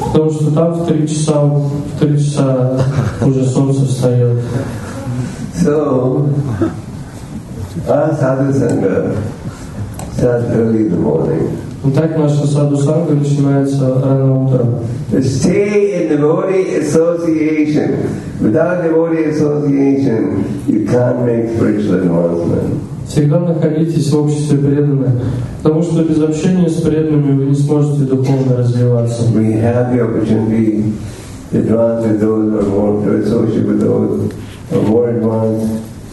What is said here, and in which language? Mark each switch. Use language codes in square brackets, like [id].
[ru] Потому что там в три часа уже солнце встает. [en] So. Our sadhusanga starts early in the morning. [ru] Итак, наша садхусанга начинается рано утром. [en] To stay in devotee association. Without devotee association, you can't make spiritual advancement. [ru] Всегда находитесь в обществе преданных, потому что без общения с преданными вы не сможете духовно развиваться. [en] We have the opportunity to advance with those who are more, to associate with those who are more advanced.